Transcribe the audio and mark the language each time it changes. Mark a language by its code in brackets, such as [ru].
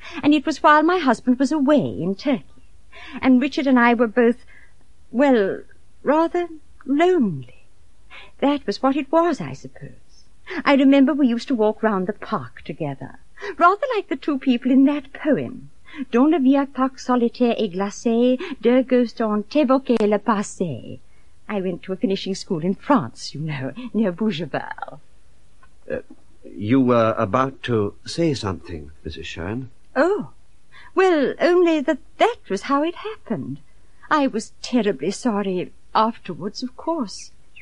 [en] And it was while my husband was away in Turkey. And Richard and I were both, well, rather lonely. That was what it was, I suppose. I remember we used to walk round the park together, rather like the two people in that poem. [fr] Dans le vieux parc solitaire et glacé, deux ghosts ont évoqué le passé. [en] I went to a finishing school in France, you know, near Bougival. You were about to say something, Mrs. Schoen. Oh, well, only that was how it happened. I was terribly sorry afterwards, of course.